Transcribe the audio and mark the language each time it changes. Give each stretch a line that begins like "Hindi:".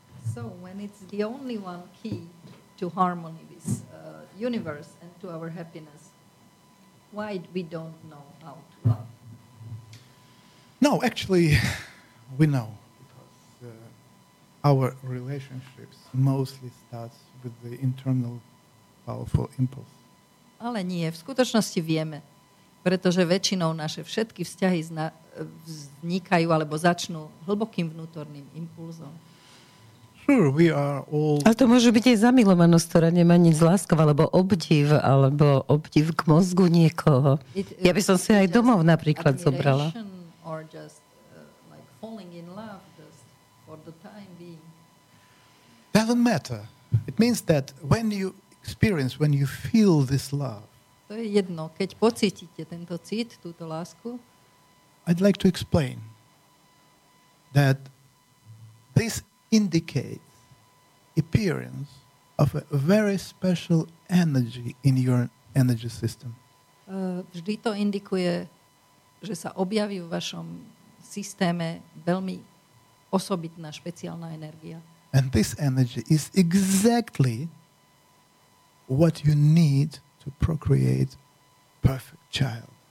English: So when it's the only one key to harmony with universe and to our happiness, why we don't know how to love? No, actually, we know. Because our relationships mostly starts with the internal powerful impulse.
Slovak: Ale nie, v skutočnosti vieme, pretože väčšinou naše všetky vzťahy vznikajú alebo začnú hlbokým vnútorným impulzom.
English: Sure, we are all...
Slovak: A to môže byť aj zamilovanosť, ktorá nemá nič z láskov, alebo obdiv k mozgu niekoho. Ja by som si aj domov napríklad zobrala.
English: Or just like falling in love just for the time being. Doesn't matter. It means that when you experience, when you feel this love.
Slovak: To je jedno, keď pocítite tento cit, túto lásku.
English: I'd like to explain that this indicates appearance of a very special energy in your energy system.
Slovak: Vždy to indikuje, že sa objaví v vašom systéme veľmi osobitná, špeciálna energia.
English: And this energy is exactly what you need to procreate perfect child.